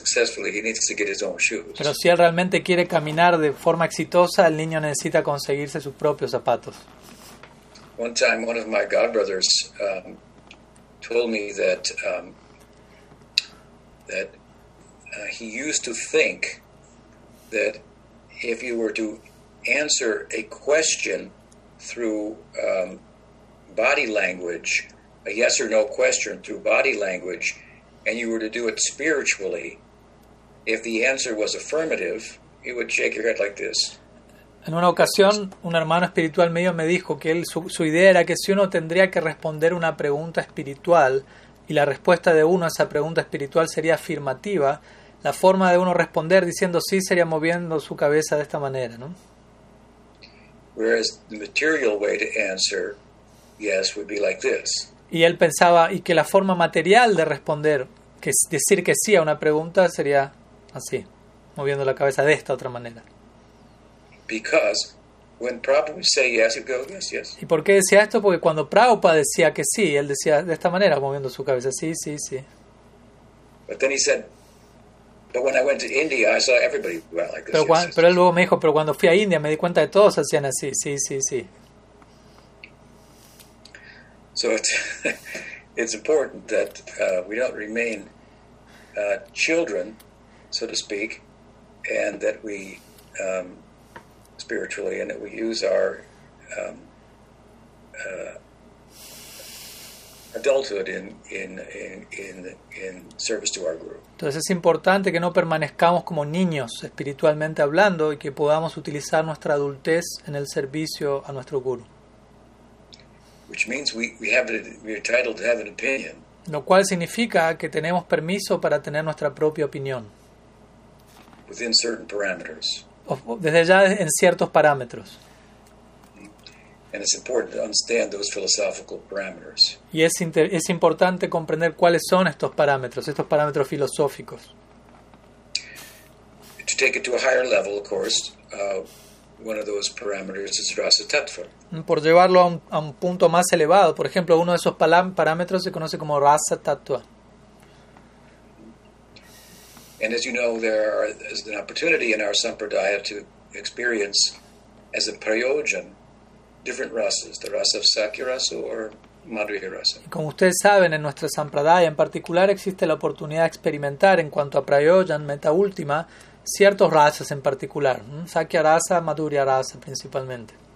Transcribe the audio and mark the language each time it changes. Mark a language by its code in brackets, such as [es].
[es] Pero si él realmente quiere caminar de forma exitosa, el niño necesita conseguirse sus propios zapatos. [en] One time, one of my godbrothers told me that he used to think that if you were to answer a question through body language, a yes or no question through body language, and you were to do it spiritually, if the answer was affirmative, you would shake your head like this. [es] En una ocasión, un hermano espiritual mío me dijo que él, su idea era que si uno tendría que responder una pregunta espiritual y la respuesta de uno a esa pregunta espiritual sería afirmativa, la forma de uno responder diciendo sí sería moviendo su cabeza de esta manera, ¿no? [en] Whereas the material way to answer yes would be like this. [es] Y él pensaba y que la forma material de responder, que es decir que sí a una pregunta, sería así, moviendo la cabeza de esta otra manera. [en] Because when Prabhupada would say yes, he'd go yes, yes. [es] ¿Y por qué decía esto? Porque cuando Prabhupada decía que sí, él decía de esta manera, moviendo su cabeza, sí, sí, sí. [en] But then he said, but when I went to India, I saw everybody went like this. [es] Pero él luego me dijo, pero cuando fui a India, me di cuenta de todos hacían así, sí, sí, sí. [en] So it's important that we don't remain children, so to speak, and that we spiritually, and that we use our adulthood in service to our guru. [es] Entonces es importante que no permanezcamos como niños espiritualmente hablando y que podamos utilizar nuestra adultez en el servicio a nuestro guru. [en] Which means we're entitled to have an opinion. [es] Lo cual significa que tenemos permiso para tener nuestra propia opinión. [en] Within certain parameters. [es] Desde ya en ciertos parámetros. [en] And it's important to understand those philosophical parameters. [es] Y es importante comprender cuáles son estos parámetros filosóficos. [en] To take it to a higher level, of course, one of those parameters is rasa tattva. [es] Por llevarlo a un punto más elevado, por ejemplo, uno de esos parámetros se conoce como rasa tattva. [en] And as you know, there is an opportunity in our sampradaya to experience as a prayojan different rasas, the rasa of sakya rasa or madhurya rasa. [es] Como ustedes saben, en nuestra sampradaya en particular existe la oportunidad de experimentar en cuanto a prayojan, meta última, ciertos rasas en particular, sakya rasa, madhurya rasa principalmente.